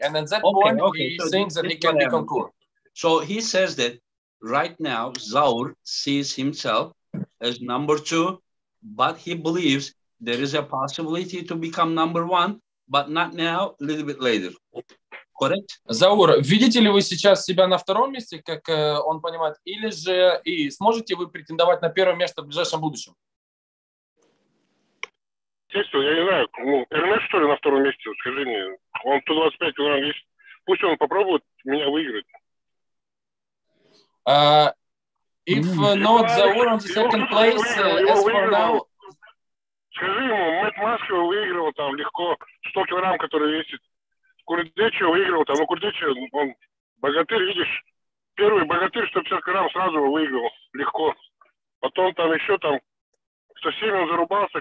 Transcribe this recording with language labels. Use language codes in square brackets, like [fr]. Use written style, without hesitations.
[en] And at that point, he thinks that he can be concurred. So he says that right now, Zaur sees himself as number two, but he believes there is a possibility to become number one. But not now, a little bit later. Correct? [ru] Zaur, видите ли вы сейчас себя на втором месте, как он понимает, или же и сможете вы претендовать на первое место в ближайшем будущем? Естественно, я не знаю. Ермес, что ли, на втором месте? Скажи мне. Он 125 килограмм весит. Пусть он попробует меня выиграть. [en] If not, Zaur on the second place, as for now... [ru] Скажи ему, Мэтт Маскио выигрывал там легко 100 килограмм, который весит. Курдечо выигрывал там. Ну, Курдечо, он богатырь, видишь. Первый богатырь 150 килограмм сразу выиграл легко. Потом там еще там 107 он зарубался.